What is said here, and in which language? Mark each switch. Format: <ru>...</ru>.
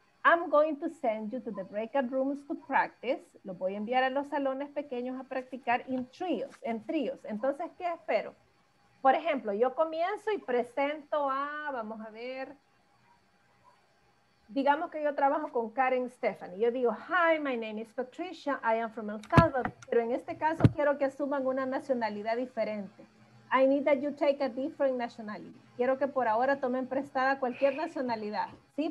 <en>I'm going to send you to the breakout rooms to practice.</en> <es>Los voy a enviar a los salones pequeños a practicar</es> <en>in trios,</en> <es>en tríos. Entonces, ¿qué espero? Por ejemplo, yo comienzo y presento a, vamos a ver... Digamos que yo trabajo con Karen Stephanie. Yo digo,</es> <en>hi, my name is Patricia. I am from El Salvador.</en> <es>Pero en este caso quiero que asuman una nacionalidad diferente.</es> <en>I need that you take a different nationality.</en> <es>Quiero que por ahora tomen prestada cualquier nacionalidad, ¿sí?</es>